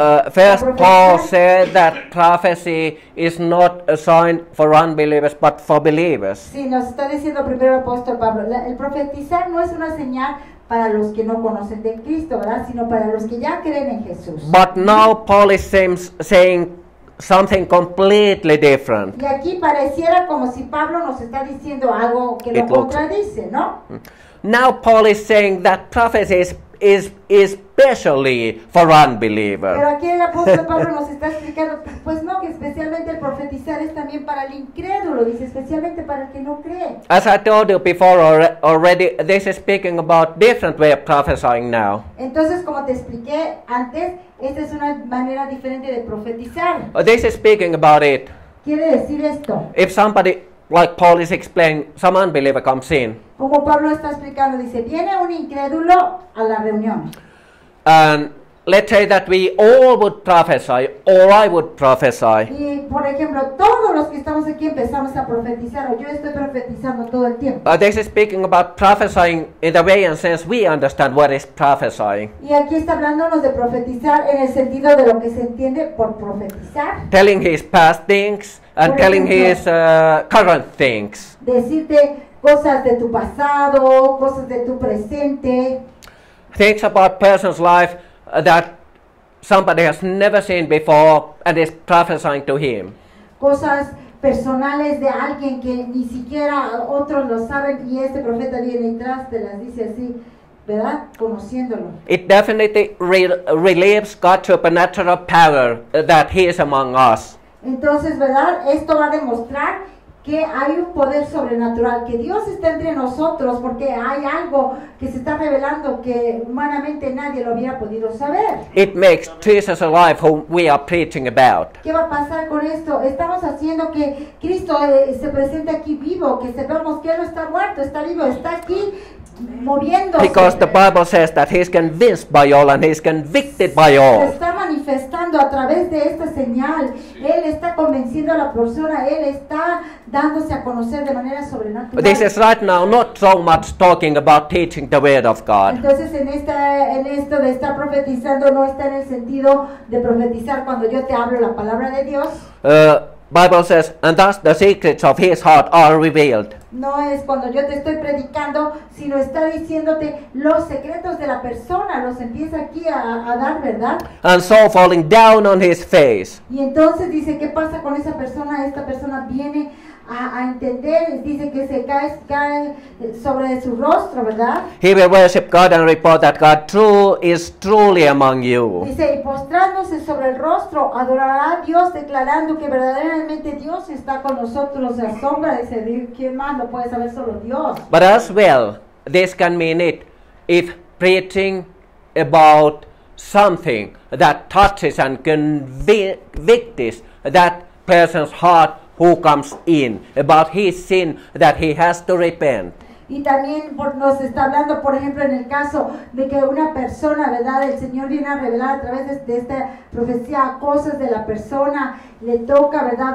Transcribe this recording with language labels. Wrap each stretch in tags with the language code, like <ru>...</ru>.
<en>First Paul said that prophecy is not a sign for unbelievers, but for believers.</en> <es>Sí, nos está diciendo primero apóstol Pablo, el profetizar no es una señal para los que no conocen de Cristo, ¿verdad?, sino para los que ya creen en Jesús.</es> <en>But now Paul seems saying something completely different.</en> <es>Y aquí pareciera como si Pablo nos está diciendo algo que lo contradice, ¿no?</es> <en>Now Paul is saying that prophecy is especially for unbelievers.</en> <es>Pero aquí el apóstol Pablo nos está explicando, pues no, que especialmente el profetizar es también para el incrédulo, dice, especialmente para el que no cree.</es> <en>As I told you before already, this is speaking about different way of prophesying now.</en> <es>Entonces, como te expliqué antes, esta es una manera diferente de profetizar.</es> <en>This is speaking about it.</en> <es>Quiere decir esto.</es> <en>If somebody, like Paul is explaining, some unbeliever comes in.</en> <es>Como Pablo está explicando, dice, viene un incrédulo a la reunión.</es> <en>And let's say that we all would prophesy, or I would prophesy.</en> <es>Y por ejemplo, todos los que estamos aquí empezamos a profetizar, o yo estoy profetizando todo el tiempo.</es> <en>But this is speaking about prophesying in the way and sense we understand what is prophesying.</en> <es>Y aquí está hablándonos de profetizar en el sentido de lo que se entiende por profetizar.</es> <en>Telling his past things and</en> <es>por</es> <en>telling</en> <es>ejemplo,</es> <en>his current things.</en> <es>Decirte cosas de tu pasado, cosas de tu presente.</es> <en>Things about person's life that somebody has never seen before and is prophesying to him.</en> <es>Cosas personales de alguien que ni siquiera otros lo saben y este profeta viene atrás, te las dice así, ¿verdad? Conociéndolo.</es> <en>It definitely relieves God's supernatural power that he is among us.</en> <es>Entonces, ¿verdad? Esto va a demostrar que hay un poder sobrenatural, que Dios está entre nosotros, porque hay algo que se está revelando que humanamente nadie lo hubiera podido saber.</es> <en>It makes Jesus alive whom we are preaching about.</en> <es>¿Qué va a pasar con esto? Estamos haciendo que Cristo se presente aquí vivo, que sepamos que él no está muerto, está vivo, está aquí moviéndose.</es> <en>Because the Bible says that he's convinced by all and he's convicted by all.</en> <es>Está manifestando a través de esta señal. Él está convenciendo a la persona. Él está dándose a conocer de manera sobrenatural.</es> <en>This is right now not so much talking about teaching the word of God.</en> <es>Entonces en esto de estar profetizando no está en el sentido de profetizar cuando yo te hablo la palabra de Dios.</es> <en>Bible says, and thus the secrets of his heart are revealed.</en> <es>No es cuando yo te estoy predicando, sino está diciéndote los secretos de la persona, los empieza aquí a dar, ¿verdad?</es> <en>And so falling down on his face.</en> <es>Y entonces dice, ¿qué pasa con esa persona? Esta persona viene a entender, dice que se cae sobre su rostro, ¿verdad?</es> <en>He will worship God and report that God is truly among you.</en> <es>Dice, y postrándose sobre el rostro, adorará a Dios, declarando que verdaderamente Dios está con nosotros. La sombra dice, ¿quién más lo puede saber? Solo Dios.</es> <en>But as well, this can mean it, if preaching about something that touches and convicts that person's heart who comes in about his sin that he has to repent.</en> <es>Y también nos está hablando, por ejemplo, en el caso de que una persona, ¿verdad? El Señor viene a revelar a través de esta profecía cosas de la persona, le toca, ¿verdad?</es>